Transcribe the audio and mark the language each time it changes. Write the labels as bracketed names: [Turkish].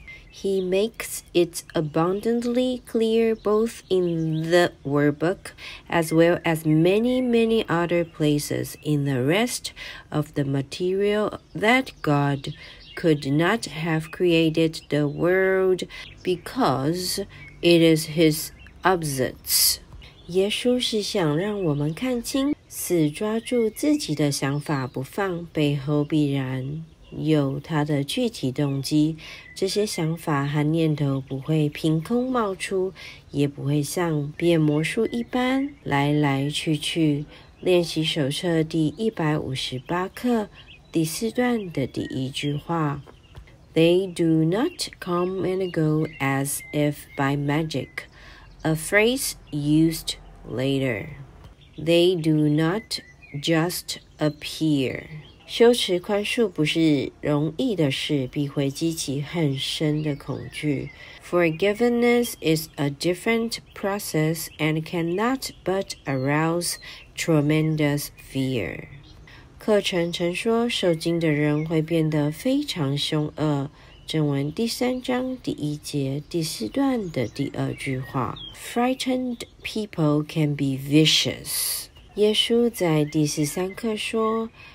[English] He makes it abundantly clear both in the workbook as well as many, many other places in the rest of the material that God could not have created the world because it is his absence. [Chinese] 耶稣是想让我们看清，死抓住自己的想法不放，背后必然。有他的具体动机，这些想法和念头不会凭空冒出，也不会像变魔术一般来来去去。练习手册第158课第四段的第一句话 [English] They do not come and go as if by magic, a phrase used later. They do not just appear. [Chinese] 羞耻宽恕不是容易的事，必会激起很深的恐惧。 [English] Forgiveness is a different process and cannot but arouse tremendous fear. [Chinese] 课程曾说，受惊的人会变得非常凶恶。正文第三章第一节第四段的第二句话。 [English] Frightened people can be vicious. [Chinese] 耶稣在第十三课说，